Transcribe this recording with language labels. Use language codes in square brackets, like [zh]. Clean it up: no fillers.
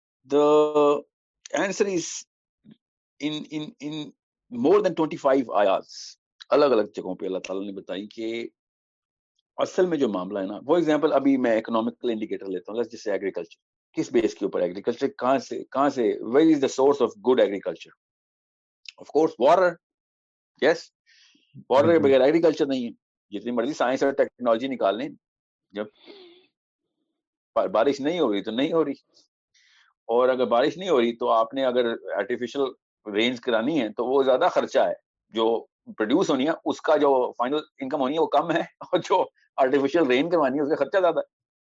[en] The answer is in more than 25 [ur] آیات الگ الگ جگہوں پہ اللہ تعالیٰ نے بتائی کہ اصل میں جو معاملہ ہے نا, وہ ایگزامپل ابھی میں اکنامیکل انڈیکیٹر لیتا ہوں, [en] Let's just say agriculture. [ur] کس بیس کے اوپر ایگریکلچر, کہاں سے [en] Where is the source of good agriculture? Of course water. [ur] Yes, water کے بغیر ایگریکلچر نہیں ہے. جتنی مرضی سائنس اور ٹیکنالوجی نکال لیں, جب بارش نہیں ہو رہی تو نہیں ہو رہی, اور اگر بارش نہیں ہو رہی تو آپ نے اگر آرٹیفیشل رینز کرانی ہے تو وہ زیادہ خرچہ ہے. جو پروڈیوس ہونی ہے اس کا جو فائنل انکم ہونی ہے وہ کم ہے, اور جو آرٹیفیشیل رین کروانی ہے اس کا خرچہ زیادہ ہے.